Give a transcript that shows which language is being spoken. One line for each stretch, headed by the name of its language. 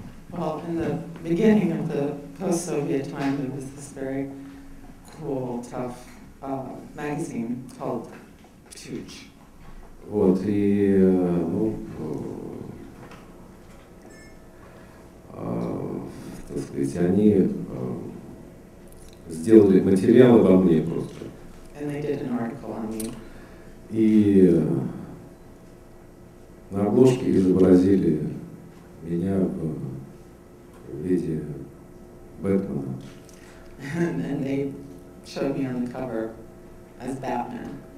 English: Well, in the beginning of the post-Soviet time, there was this very cool, tough magazine called «Птюч».
Russian: Вот, и, ну, так сказать, они сделали материал обо мне просто.
English: And they did an article on me.
Russian: И на обложке изобразили меня в виде Бэтмена.
English: And they showed me on the cover as Batman.